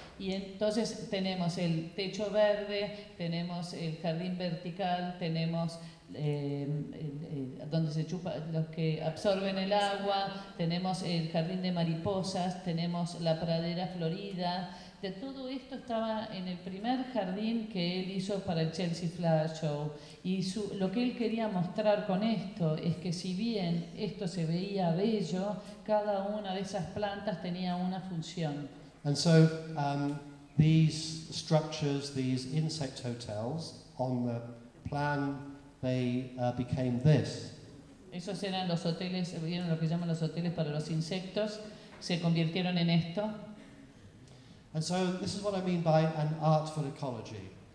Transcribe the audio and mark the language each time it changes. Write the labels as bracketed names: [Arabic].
[Spanish] Y entonces tenemos el techo verde, tenemos el jardín vertical, tenemos donde se chupa, los que absorben el agua, tenemos el jardín de mariposas, tenemos la pradera florida. De todo esto estaba en el primer jardín que él hizo para el Chelsea Flower Show. Y lo que él quería mostrar con esto es que si bien esto se veía bello, cada una de esas plantas tenía una función. [English] And so these structures, these insect hotels, on the plan, they became this. [Spanish] Esos eran los hoteles, lo que llaman los hoteles para los insectos, se convirtieron en esto. [English] And so this is what I mean by an artful ecology.